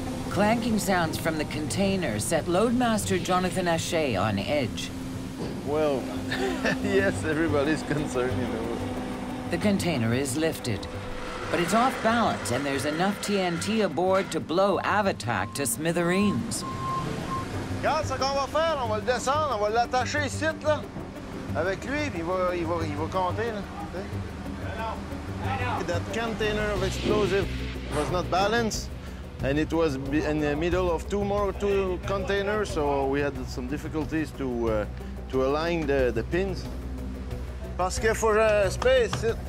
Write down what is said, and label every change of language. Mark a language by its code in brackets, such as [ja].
[en] Clanking sounds from the container set loadmaster Jonathan Ashe on edge. Well, yes, everybody's concerned, you know. The container is lifted, but it's off balance, and there's enough TNT aboard to blow AVATAQ to smithereens. [fr] Regarde ce qu'on va faire. On va le descendre, on va l'attacher ici, là, avec lui, puis il va compter, là. [en] That container of explosive was not balanced, and it was in the middle of two containers, so we had some difficulties to align the pins. [fr] Parce que [en] for space.